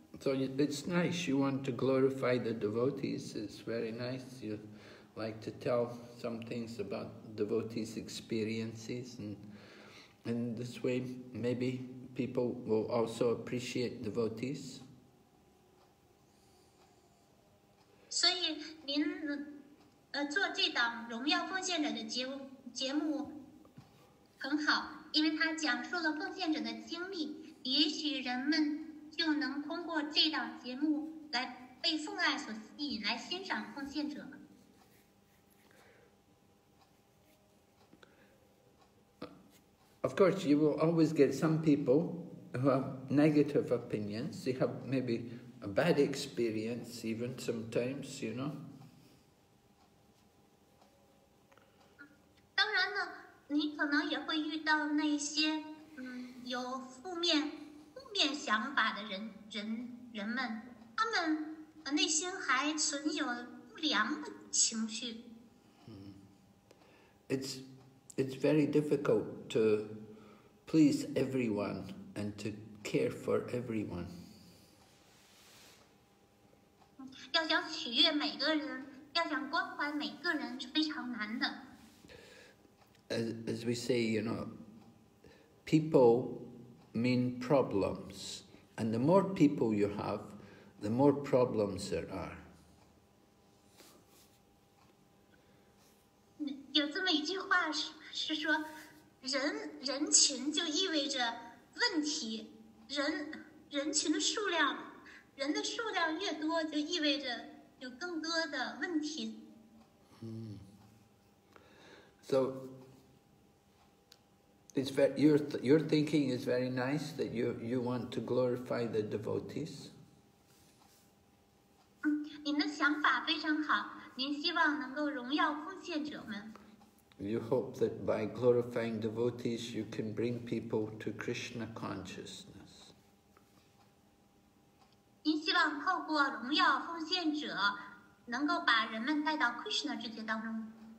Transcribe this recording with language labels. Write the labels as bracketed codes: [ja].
[en] So it's nice you want to glorify the devotees. It's very nice you like to tell some things about devotees' experiences, and this way maybe people will also appreciate devotees. [zh] 所以您做这档荣耀奉献者的节目很好，因为它讲述了奉献者的经历，也许人们就能通过这档节目来被奉爱所吸引，来欣赏奉献者。 [en] Of course, you will always get some people who have negative opinions. They have maybe a bad experience even sometimes, you know. [zh] 当然呢，你可能也会遇到那些有负面想法的人们，他们内心还存有不良的情绪。 [en] It's very difficult to please everyone and to care for everyone. [zh] 要想取悦每个人，要想关怀每个人是非常难的。 [en] As we say, you know, people mean problems, and the more people you have, the more problems there are. [zh] 有这么一句话是说，人群就意味着问题，人群的数量，人的数量越多，就意味着有更多的问题。 [en] So it's very, your thinking is very nice that you want to glorify the devotees. [zh] 您的想法非常好，您希望能够荣耀奉献者们。 [en] You hope that by glorifying devotees, you can bring people to Krishna consciousness. [zh] 您希望透过荣耀奉献者，能够把人们带到 Krishna 世界当中。